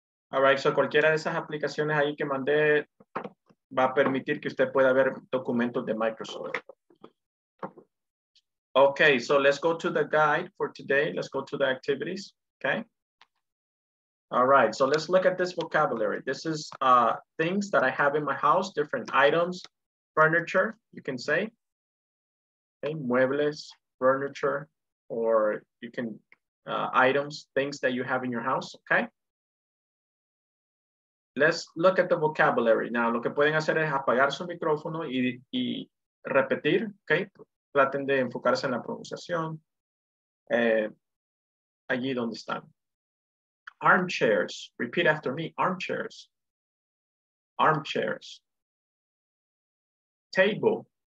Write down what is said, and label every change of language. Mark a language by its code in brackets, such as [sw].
[en] All right, so [es] cualquiera de esas aplicaciones ahí que mandé va a permitir que usted pueda ver documentos de Microsoft. [en] Okay, so let's go to the guide for today. Let's go to the activities, okay? All right, so let's look at this vocabulary. This is things that I have in my house, different items, furniture, you can say. Okay, muebles, furniture, or you can, items, things that you have in your house, okay? Let's look at the vocabulary. [es] Now, lo que pueden hacer es apagar su micrófono y repetir, okay? Traten de enfocarse en la pronunciación, allí donde están. [en] Armchairs, repeat after me, armchairs. Armchairs. Table.